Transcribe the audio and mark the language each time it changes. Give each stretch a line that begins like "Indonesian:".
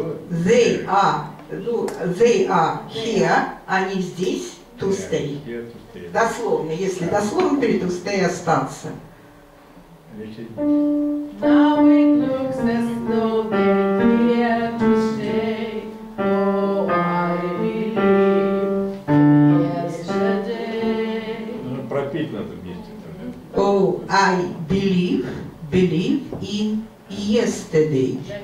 English: They are,
Russian: ну,
English: they are here,
Russian: они здесь,
English: to stay.
Russian: Дословно, если дословно перейти,
English: to stay,
Russian: остаться.
English: Now it looks as though they're here to stay. Oh, I believe yesterday.
Russian: Пропеть надо вместе.
English: Oh, I believe in yesterday.